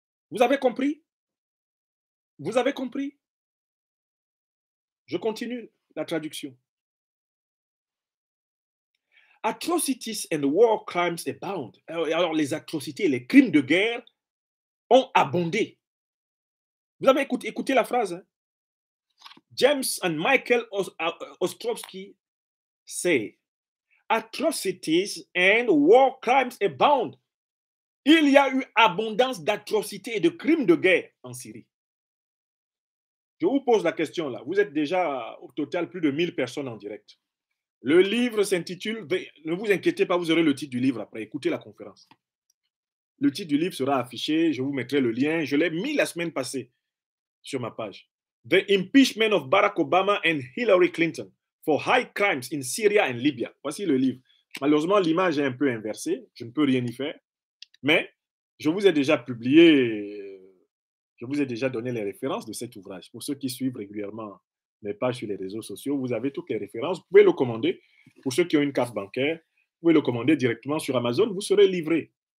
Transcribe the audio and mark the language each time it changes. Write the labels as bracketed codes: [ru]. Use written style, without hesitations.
[fr] Vous avez compris? Vous avez compris? Je continue la traduction. [en] Atrocities and war crimes abound. [fr] Alors, les atrocités, les crimes de guerre ont abondé. Vous avez écouté la phrase, hein? [en] James and Michael Ostrowski say, atrocities and war crimes abound. [fr] Il y a eu abondance d'atrocités et de crimes de guerre en Syrie. Je vous pose la question là. Vous êtes déjà au total plus de 1000 personnes en direct. Le livre s'intitule, ne vous inquiétez pas, vous aurez le titre du livre après, écoutez la conférence. Le titre du livre sera affiché, je vous mettrai le lien, je l'ai mis la semaine passée sur ma page. [en] The Impeachment of Barack Obama and Hillary Clinton for High Crimes in Syria and Libya. [fr] Voici le livre. Malheureusement, l'image est un peu inversée, je ne peux rien y faire, mais je vous ai déjà publié, je vous ai déjà donné les références de cet ouvrage. Pour ceux qui suivent régulièrement mes pages sur les réseaux sociaux, vous avez toutes les références, vous pouvez le commander. Pour ceux qui ont une carte bancaire, vous pouvez le commander directement sur Amazon, vous serez livré.